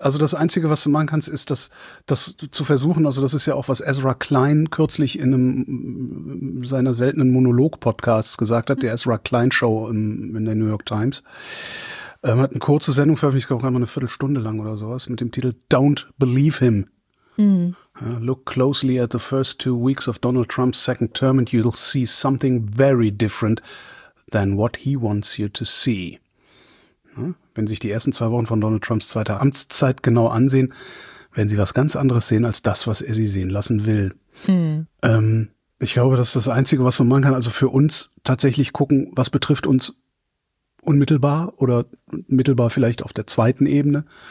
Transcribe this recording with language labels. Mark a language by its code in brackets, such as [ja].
[de] Also das Einzige, was du machen kannst, ist das zu versuchen. Also das ist ja auch, was Ezra Klein kürzlich in einem seiner seltenen Monolog-Podcasts gesagt hat, der Ezra Klein Show in der New York Times. Hat eine kurze Sendung veröffentlicht, ich glaube gerade mal eine Viertelstunde lang oder sowas, mit dem Titel Don't Believe Him. [en] Look closely at the first 2 weeks of Donald Trump's second term and you'll see something very different than what he wants you to see. [de] Wenn sich die ersten 2 Wochen von Donald Trumps zweiter Amtszeit genau ansehen, werden sie was ganz anderes sehen als das, was er sie sehen lassen will. Mhm. Ich glaube, das ist das Einzige, was man machen kann. Also für uns tatsächlich gucken, was betrifft uns unmittelbar oder mittelbar vielleicht auf der zweiten Ebene.